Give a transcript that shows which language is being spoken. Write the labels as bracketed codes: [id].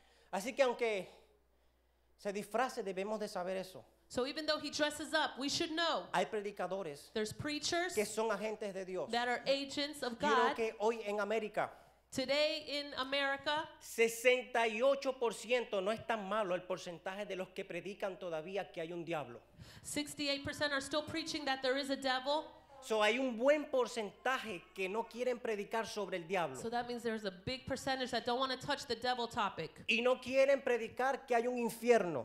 [es] Así que aunque se disfrace, debemos de saber eso. [en] So even though he dresses up, we should know. [es] Hay predicadores. [en] There's preachers. [es] Que son agentes de Dios. [en] That are agents of God. [es] Creo que hoy en América. [en] Today in America. [es] 68%, no es tan malo el porcentaje de los que predican todavía que hay un diablo. [en] 68% are still preaching that there is a devil. [es] So hay un buen porcentaje que no quieren predicar sobre el diablo. [en] So that means there's a big percentage that don't want to touch the devil topic. [es] Y no quieren predicar que hay un infierno.